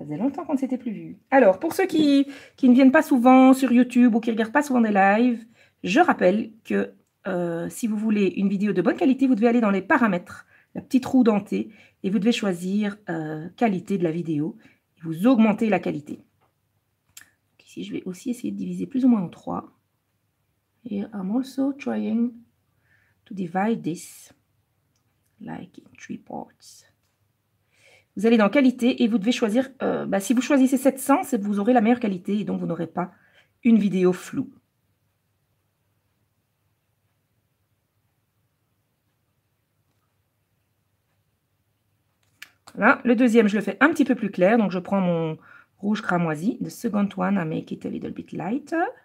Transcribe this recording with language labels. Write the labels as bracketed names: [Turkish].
[French] Ça faisait longtemps qu'on ne s'était plus vus. Alors, pour ceux qui ne viennent pas souvent sur YouTube ou qui ne regardent pas souvent des lives, je rappelle que si vous voulez une vidéo de bonne qualité, vous devez aller dans les paramètres, la petite roue dentée, et vous devez choisir qualité de la vidéo. Et vous augmentez la qualité. Donc ici, je vais aussi essayer de diviser plus ou moins en 3. [English] Here I'm also trying to divide this like in 3 parts. [French] Vous allez dans qualité et vous devez choisir, si vous choisissez 700, c'est que vous aurez la meilleure qualité et donc vous n'aurez pas une vidéo floue. Là, le deuxième, je le fais un petit peu plus clair, donc je prends mon rouge cramoisi. [English] The second one, I make it a little bit lighter.